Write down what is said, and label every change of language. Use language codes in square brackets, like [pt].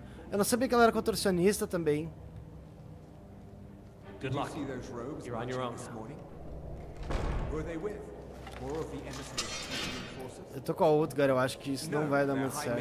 [pt] Eu não sabia que ela era contorcionista também. [en] Good luck. You're on your own this morning. Who are they with? More of the embassy forces. [pt] Eu tô com a outra, cara. Eu acho que isso não vai dar muito certo.